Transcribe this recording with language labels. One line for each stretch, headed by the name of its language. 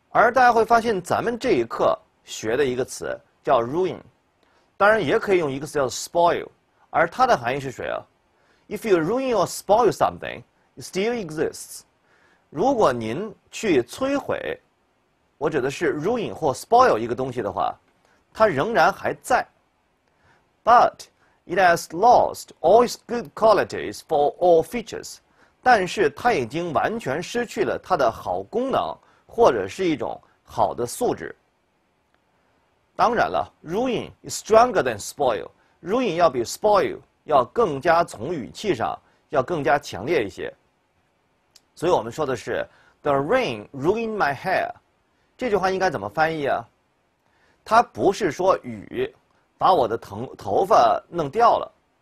Chinese: 而大家会发现，咱们这一刻。学的一个词叫 ruin， 当然也可以用一个词叫 spoil， 而它的含义是谁啊 ？
English: If you ruin or spoil something, it still exists。
Chinese: 如果您去摧毁，我指的是 ruin 或 spoil 一个东西的话，它仍然还在。
English: But it has lost all its good qualities for all features。
Chinese: 但是它已经完全失去了它的好功能或者是一种好的素质。当然了
English: ，ruin is stronger than spoil。
Chinese: ruin 要比 spoil 要更加从语气上要更加强烈一些。所以我们说的是
English: "The rain ruined my hair"，
Chinese: 这句话应该怎么翻译啊？它不是说雨把我的头发弄掉了，